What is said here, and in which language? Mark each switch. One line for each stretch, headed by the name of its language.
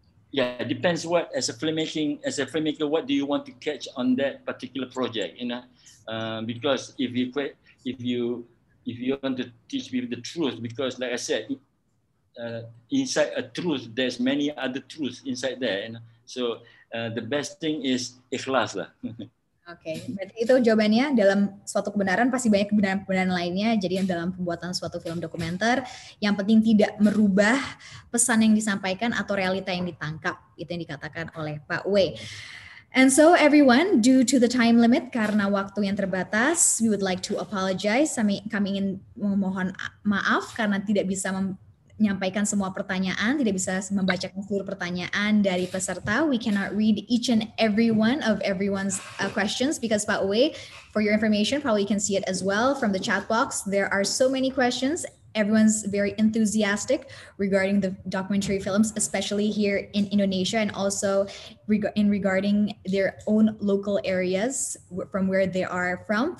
English: Yeah, it depends what, as a filmmaker, what do you want to catch on that particular project, you know? Because if you want to teach people the truth, because like I said, inside a truth, there's many other truths inside there. You know? So the best thing is
Indonesian: ikhlas lah. Okay, berarti itu jawabannya. Dalam suatu kebenaran pasti banyak kebenaran-kebenaran lainnya. Jadi dalam pembuatan suatu film dokumenter, yang penting tidak merubah pesan yang disampaikan atau realita yang ditangkap. Itu yang dikatakan oleh Pak Wei.
English: And so everyone, due to the time limit,
Indonesian: karena waktu yang terbatas,
English: we would like to apologize.
Indonesian: Kami ingin memohon maaf karena tidak bisa menyampaikan semua pertanyaan, tidak bisa membaca seluruh pertanyaan dari peserta.
English: We cannot read each and every one of everyone's questions because, by the way, for your information, probably you can see it as well from the chat box. There are so many questions. Everyone's very enthusiastic regarding the documentary films, especially here in Indonesia, and also regarding their own local areas from where they are from.